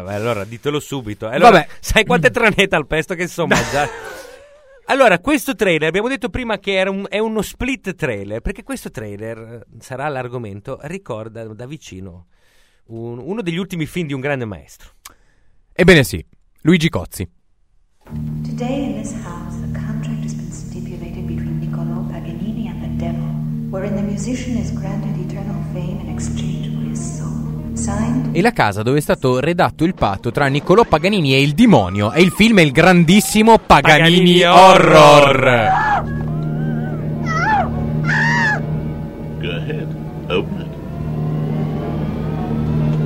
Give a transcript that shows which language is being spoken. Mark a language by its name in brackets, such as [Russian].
[Italian] Beh, allora ditelo subito. Allora, vabbè, sai quante tranette al pesto che insomma già. Allora, questo trailer, abbiamo detto prima che è uno split trailer, perché questo trailer sarà l'argomento, ricorda da vicino uno degli ultimi film di un grande maestro. Ebbene sì, Luigi Cozzi. [English] Today in this house a contract has been stipulated between Niccolò Paganini and the devil. Wherein the musician is granted eternal fame in exchange for his soul. Signed. [Italian] E la casa dove è stato redatto il patto tra Niccolò Paganini e il demonio. E il film è il grandissimo Paganini Horror. [English] Go ahead, open it.